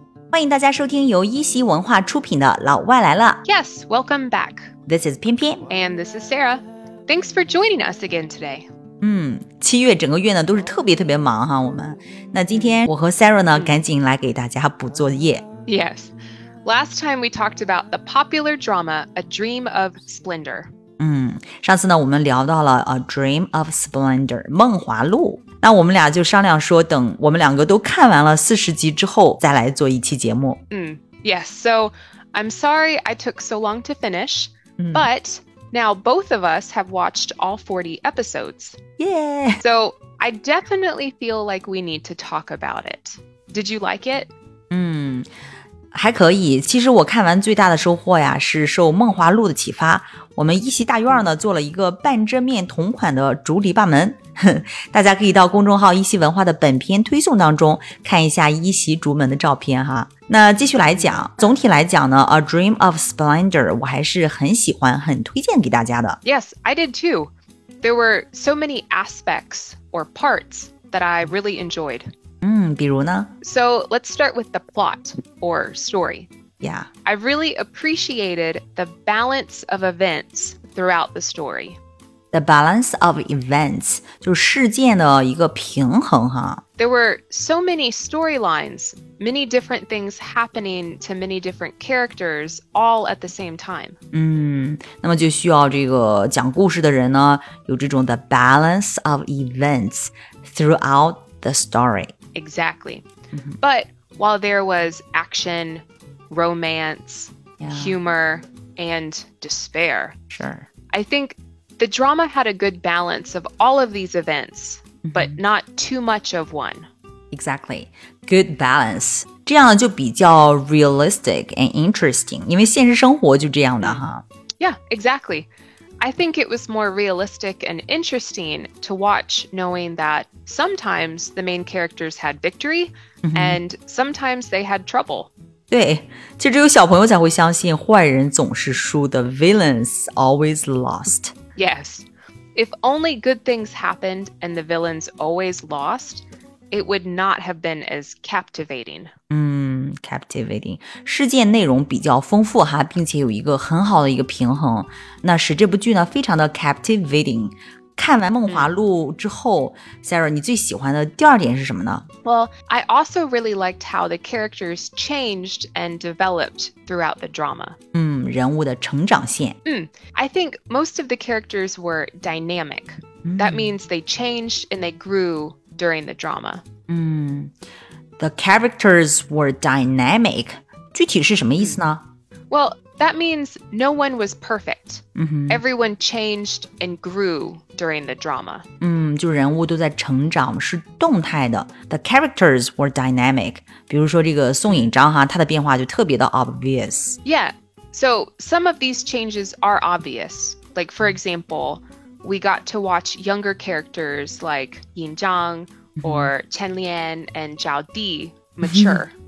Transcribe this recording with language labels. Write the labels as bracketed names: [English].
[Chinese] 欢迎大家收听由一席文化出品的《老外来了》。 [English] Yes, welcome back. This is Pian Pian. And this is Sarah. Thanks for joining us again today. [Chinese] 七月整个月呢都是特别特别忙哈，我们。那今天我和 Sarah 呢赶紧来给大家补作业。 [English] Yes, last time we talked about the popular drama A Dream of Splendor. [Chinese] 上次呢我们聊到了 A Dream of Splendor, 梦华录。那我们俩就商量说等我们两个都看完了四十集之后再来做一期节目。 [English] Yes, so I'm sorry I took so long to finish, but now both of us have watched all 40 episodes. Yeah! So I definitely feel like we need to talk about it. Did you like it? [Chinese] 还可以。其实我看完最大的收获呀是受梦华录的启发。我们一席大院呢做了一个半遮面同款的竹篱笆门。大家可以到公众号一席文化的本篇推送当中看一下一席竹门的照片哈。那继续来讲，总体来讲呢 A Dream of Splendor 我还是很喜欢很推荐给大家的。 [English] Yes, I did too. There were so many aspects or parts that I really enjoyed. [Chinese] 比如呢？ [English] So let's start with the plot or story. Yeah. I really appreciated the balance of events throughout the story. The balance of events, [Chinese] 就是事件的一个平衡哈。 [English] There were so many storylines, many different things happening to many different characters all at the same time. [Chinese] 那么就需要这个讲故事的人呢，有这种 [English] the balance of events throughout the story. Exactly. But while there was action, romance, humor, and despair, sure. I think... The drama had a good balance of all of these events, but not too much of one. Exactly. Good balance. [Chinese] 这样就比较 [English] realistic and interesting, [Chinese] 因为现实生活就这样的哈。 [English] Yeah, exactly. I think it was more realistic and interesting to watch knowing that sometimes the main characters had victory, and sometimes they had trouble. [Chinese] 对，其实只有小朋友才会相信坏人总是输的 [English] villains always lost. Yes. If only good things happened and the villains always lost, it would not have been as captivating. Captivating. [Chinese] 事件内容比较丰富哈，并且有一个很好的一个平衡，那使这部剧呢非常的 captivating. 看完梦华录之后，Sarah，你最喜欢的第二点是什么呢？ [English] Well, I also really liked how the characters changed and developed throughout the drama. [Chinese] 人物的成长线。 [English] I think most of the characters were dynamic. That means they changed and they grew during the drama. The characters were dynamic. [Chinese] 具体是什么意思呢？ [English] Well, that means no one was perfect. Everyone changed and grew during the drama. [Chinese] 就人物都在成长，是动态的。 [English] The characters were dynamic. [Chinese] 比如说这个宋引章哈，他的变化就特别的 obvious. [English] Yeah, so some of these changes are obvious. Like, for example, we got to watch younger characters like Yin Zhang or Chen Lian and Zhao Di mature.